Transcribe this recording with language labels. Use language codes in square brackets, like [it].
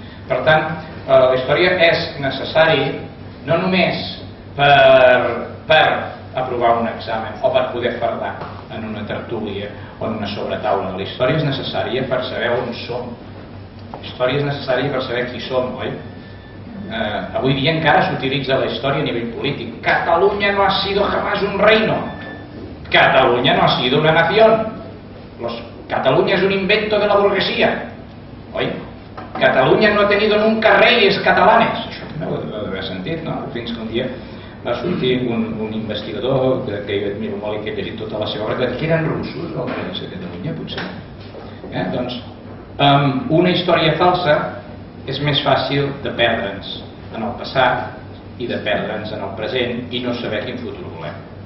[ca] Per tant, la història és necessari no només per aprovar un examen o per poder fardar en una tertúlia o en una sobretaula. La història és necessària per saber on som. La història és necessària per saber qui som, oi? Avui dia encara s'utilitza la història a nivell polític. [es] Catalunya no ha sido jamás un reino. Catalunya no ha sido una nación. Catalunya es un invento de la burguesía. Oi? Catalunya no ha tenido nunca reyes catalanes. [ca] Això també ho deu haver sentit, no? Fins que un dia va sortir un investigador que jo admiro molt i que he llegit tota la seva obra, que eren russos, o no sé, Catalunya, potser. Doncs, una història falsa és més fàcil de perdre'ns en el passat i de perdre'ns en el present i no saber quin futur volem.